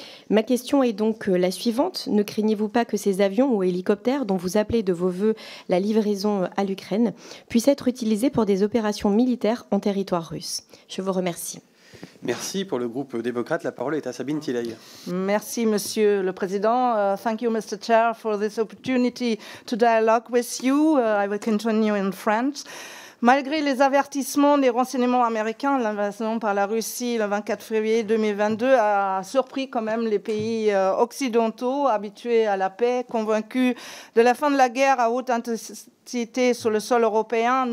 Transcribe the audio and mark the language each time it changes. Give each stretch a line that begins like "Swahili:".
French: Ma question est donc la suivante. Ne craignez-vous pas que ces avions ou hélicoptères dont vous appelez de vos voeux la livraison à l'Ukraine puissent être utilisés pour des opérations militaires en territoire russe ? Je vous remercie. Merci. Pour le groupe démocrate, la parole est à Sabine Tilley. Merci, Monsieur le Président.
English: Thank you, Mr. Chair, for this opportunity to dialogue with you. I will continue in French.
French: Malgré les avertissements des renseignements américains, l'invasion par la Russie le 24 février 2022 a surpris quand même les pays occidentaux habitués à la paix, convaincus de la fin de la guerre à haute intensité sur le sol européen.